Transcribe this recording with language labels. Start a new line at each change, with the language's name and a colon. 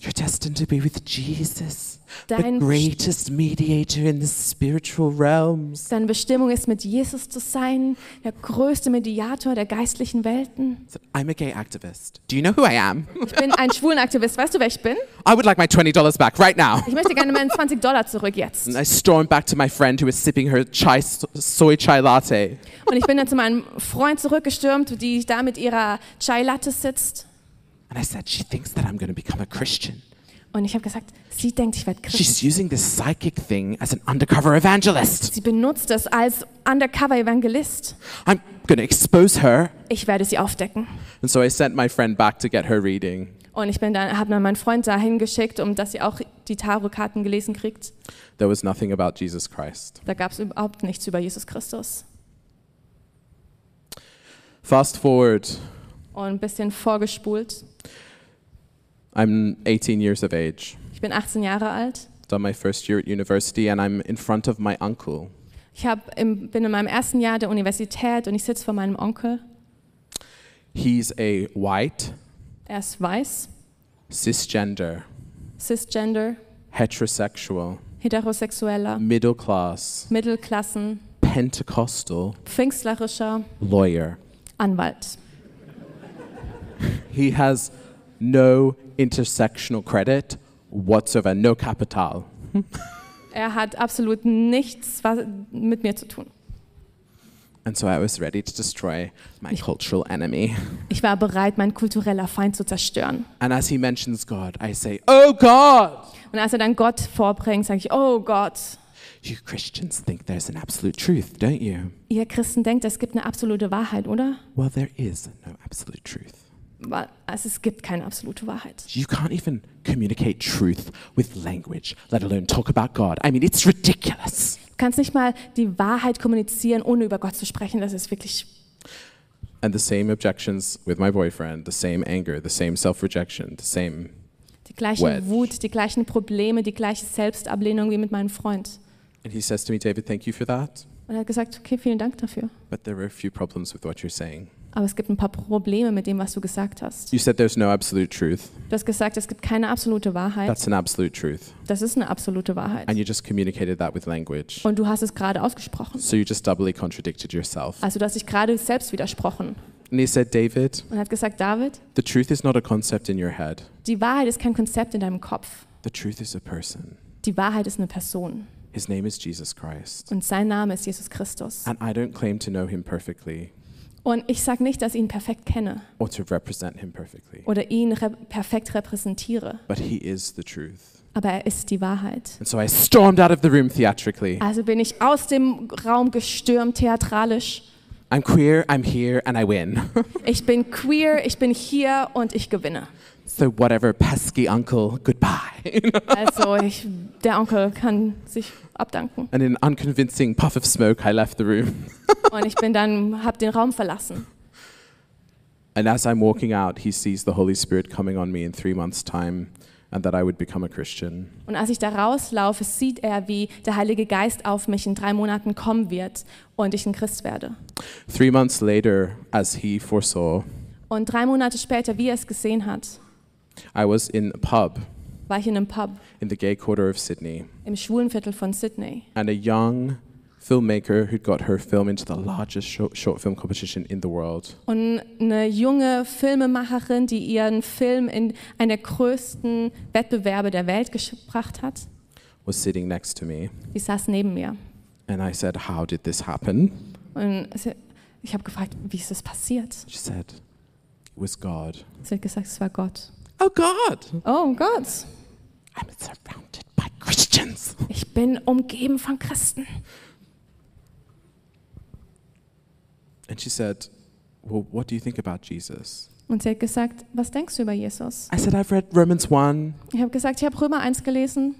English: You're destined to be with Jesus, dein the greatest mediator in the spiritual realms.
German: Deine Bestimmung ist, mit Jesus zu sein, der größte Mediator der geistlichen Welten.
English: So, I'm a gay activist. Do you know who I am?
German: Ich bin ein schwulen Aktivist. Weißt du, wer ich bin?
English: I would like my $20 back right now.
German: Ich möchte gerne meinen $20 zurück jetzt.
English: And I storm back to my friend who is sipping her chai, soy chai latte.
German: Und ich bin dann zu meinem Freund zurückgegangen. Gestürmt, die da mit ihrer Chai Latte sitzt.
English: And I said, she thinks that I'm going to become a Christian.
German: Und ich habe gesagt, sie denkt, ich werde Christ.
English: She's using this psychic thing as an undercover evangelist.
German: Sie benutzt das als undercover Evangelist.
English: I'm going to expose her.
German: Ich werde sie aufdecken.
English: And so I sent my friend back to get her reading.
German: Und ich bin dann habe dann meinen Freund dahin geschickt, um dass sie auch die Tarotkarten gelesen kriegt.
English: There was nothing about Jesus Christ.
German: Da gab es überhaupt nichts über Jesus Christus.
English: Fast forward.
German: Und ein bisschen vorgespult.
English: I'm 18 years of age.
German: Ich bin 18 Jahre alt.
English: Done my first year at university and I'm in front of my uncle.
German: Bin in meinem ersten Jahr der Universität und ich sitze vor meinem Onkel.
English: He's a white.
German: Er ist weiß.
English: Cisgender.
German: Cisgender.
English: Heterosexual.
German: Heterosexueller.
English: Middle class.
German: Mittelklassen.
English: Pentecostal.
German: Pfingstlerischer.
English: Lawyer.
German: Anwalt.
English: He has no intersectional credit whatsoever, no capital.
German: Er hat absolut nichts mit mir zu tun.
English: And so I was ready to destroy my cultural enemy.
German: Ich war bereit, meinen kulturellen Feind zu zerstören.
English: And as he mentions God, I say, "Oh God!"
German: Und als er dann Gott vorbringt, sage ich, "Oh Gott!"
English: You Christians think there's an absolute truth, don't you?
German: Ihr Christen denkt, es gibt eine absolute Wahrheit, oder?
English: Well, there is no absolute truth.
German: Weil es gibt keine absolute Wahrheit.
English: You can't even communicate truth with language, let alone talk about God. I mean, it's ridiculous.
German: Du kannst nicht mal die Wahrheit kommunizieren, ohne über Gott zu sprechen. Das ist wirklich.
English: And the same objections with my boyfriend, the same anger, the same self-rejection, the same.
German: Die gleiche Wut, die gleichen Probleme, die gleiche Selbstablehnung wie mit meinem Freund.
English: And he says to me, David, thank you for that.
German: Und er hat gesagt, okay, vielen Dank dafür.
English: But there are a few problems with what you're saying.
German: Aber es gibt ein paar Probleme mit dem, was du gesagt hast.
English: You said there's no absolute truth.
German: Du hast gesagt, es gibt keine absolute Wahrheit.
English: That's an absolute truth.
German: Das ist eine absolute Wahrheit.
English: And you just communicated that with language.
German: Und du hast es gerade ausgesprochen.
English: So you just doubly contradicted yourself.
German: Also du hast dich gerade selbst widersprochen.
English: And he said, David,
German: und er hat gesagt, David,
English: the truth is not a concept in your head.
German: Die Wahrheit ist kein Konzept in deinem Kopf.
English: The truth is a person.
German: Die Wahrheit ist eine Person.
English: His name is Jesus Christ.
German: Und sein Name ist Jesus Christus.
English: And I don't claim to know him perfectly.
German: Und ich sage nicht, dass ich ihn perfekt kenne.
English: Or to represent him perfectly.
German: Oder ihn perfekt repräsentiere.
English: But he is the truth.
German: Aber er ist die Wahrheit.
English: And so I stormed out of the room theatrically.
German: Also bin ich aus dem Raum gestürmt, theatralisch.
English: I'm queer, I'm here, and I win.
German: Ich bin queer, ich bin hier und ich gewinne.
English: So whatever, pesky uncle, goodbye.
German: Also der Onkel kann sich abdanken.
English: And in an unconvincing puff of smoke, I left the room.
German: Und ich bin dann, hab den Raum verlassen.
English: And as I'm walking out, he sees the Holy Spirit coming on me in 3 months' time, and that I would become a Christian.
German: Und als ich da rauslaufe, sieht er, wie der Heilige Geist auf mich in 3 Monaten kommen wird und ich ein Christ werde.
English: 3 months later, as he foresaw.
German: Und 3 Monate später, wie er es gesehen hat.
English: I was in a pub.
German: War ich in einem Pub.
English: In the gay quarter of Sydney.
German: Im schwulen Viertel von Sydney.
English: And a young filmmaker who'd got her film into the largest short film competition in the world.
German: Und eine junge Filmemacherin, die ihren Film in einen der größten Wettbewerbe der Welt gebracht hat.
English: Was sitting next to me.
German: Die saß neben mir.
English: And I said, "How did this happen?"
German: Und ich habe gefragt, wie ist das passiert?
English: She said, "It was God."
German: Sie hat gesagt, es war Gott.
English: Oh God. Oh God. I'm surrounded by Christians.
German: Ich bin umgeben von Christen.
English: And she said, "Well, what do you think about Jesus?"
German: Und sie hat gesagt, was denkst du über Jesus?
English: I said, "I've read Romans 1."
German: Ich habe gesagt, ich habe Römer 1 gelesen.